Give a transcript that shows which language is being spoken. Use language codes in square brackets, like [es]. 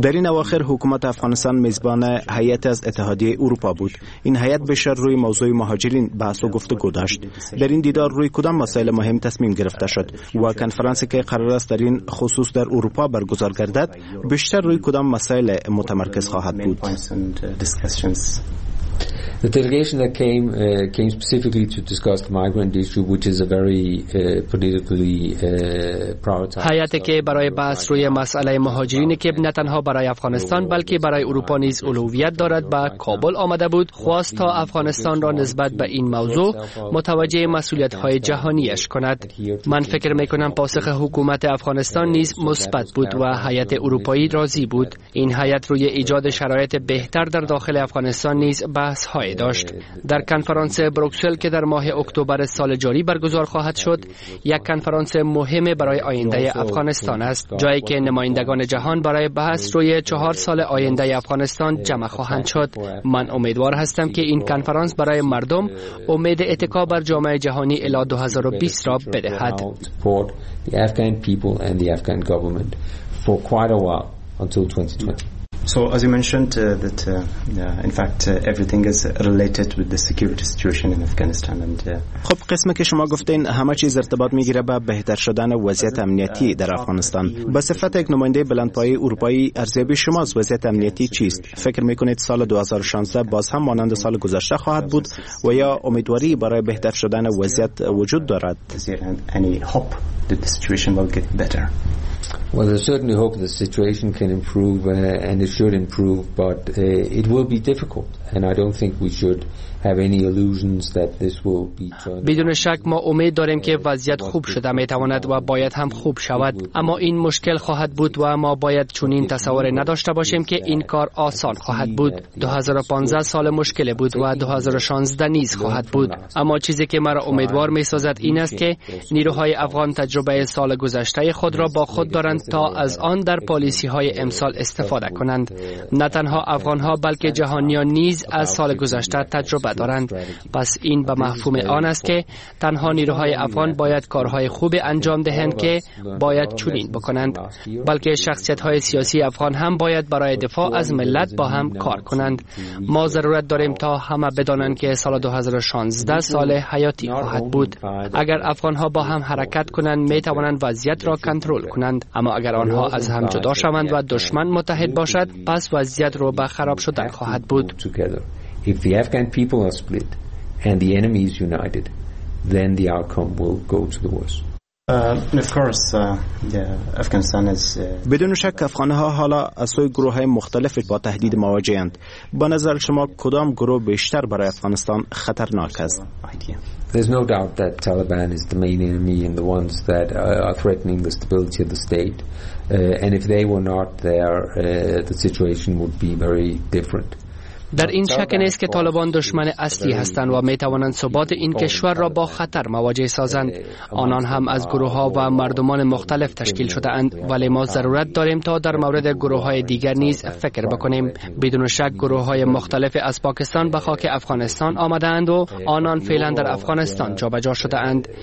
[fa] در این اواخر حکومت افغانستان میزبان هیئت از اتحادیه اروپا بود. این هیئت بیشتر روی موضوع مهاجرین بحث و گفتگو داشت. در این دیدار روی کدام مسائل مهم تصمیم گرفته شد و کنفرانسی که قرار است در این خصوص در اروپا برگزار گردد بیشتر روی کدام مسائل متمرکز خواهد بود؟ [en] The delegation that came specifically to discuss the migrant issue, which is a very politically prioritized. [fa] حیاتی که برای بحث روی مسئله مهاجرینی که نه تنها برای افغانستان بلکه برای اروپا نیز اولویت دارد با کابل آمده بود، خواست تا افغانستان را نسبت به این موضوع متوجه مسئولیت‌های جهانیش کند. من فکر می‌کنم پاسخ حکومت افغانستان نیز مثبت بود و حیات اروپایی راضی بود. این حیات روی ایجاد شرایط بهتر در داخل افغانستان نیز بحث های داشت. در کنفرانس بروکسل که در ماه اکتبر سال جاری برگزار خواهد شد، یک کنفرانس مهم برای آینده افغانستان است، جایی که نمایندگان جهان برای بحث روی 4 سال آینده افغانستان جمع خواهند شد. من امیدوار هستم که این کنفرانس برای مردم امید اتکا بر جامعه جهانی الی 2020 را بدهد. [en] So as you mentioned that in fact everything is related with the security situation in Afghanistan and [fa] خب قسمی که شما گفتین همه چیز ارتباط میگیره به بهتر شدن وضعیت امنیتی در افغانستان. به صفت یک نماینده بلندپایه اروپایی، ارزیابی شما از وضعیت امنیتی چیست؟ فکر میکنید سال 2016 باز هم مانند سال گذشته خواهد بود و یا امیدواری برای بهتر شدن وضعیت وجود دارد؟ [en] Any hope that the situation will get better? Well, there's certainly hope the situation can improve and it should improve, but it will be difficult and I don't think we should have any illusions that this will be turned. [fa] بدون شک ما امید داریم که وضعیت خوب شده میتواند و باید هم خوب شود، اما این مشکل خواهد بود و ما باید چنین تصور نداشته باشیم که این کار آسان خواهد بود. 2015 سال مشکل بود و 2016 نیز خواهد بود، اما چیزی که مرا امیدوار میسازد این است که نیروهای افغان تجربه سال گذشته خود را با خود دارند تا از آن در پالیسی های امسال استفاده کنند. نه تنها افغان ها بلکه جهانیان نیز از سال گذشته تجربه دارند. پس این به مفهوم آن است که تنها نیروهای افغان باید کارهای خوب انجام دهند که باید چنین بکنند، بلکه شخصیت‌های سیاسی افغان هم باید برای دفاع از ملت با هم کار کنند. ما ضرورت داریم تا همه بدانند که سال 2016 سال حیاتی خواهد بود. اگر افغان‌ها با هم حرکت کنند می توانند وضعیت را کنترل کنند، اما اگر آنها از هم جدا شوند و دشمن متحد باشد، پس وضعیت رو به خراب شدن خواهد بود. [en] If the Afghan people are split and the enemy is united, then the outcome will go to the worst. [fa] بدون شک افغانها حالا از سوی گروه های مختلف با تهدید مواجه اند. با نظر شما کدام گروه بیشتر برای افغانستان خطرناک است؟ [en] There's no doubt that Taliban is the main enemy and the ones that are threatening the stability of the state. And if they were not there, the situation would be very different. [fa] در این شک نیست که طالبان دشمن اصلی هستند و می توانند ثبات این کشور را با خطر مواجه سازند. آنان هم از گروه ها و مردمان مختلف تشکیل شده اند، ولی ما ضرورت داریم تا در مورد گروه های دیگر نیز فکر بکنیم. بدون شک گروه های مختلف از پاکستان به خاک افغانستان آمده اند و آنان فعلا در افغانستان جابجا شده اند.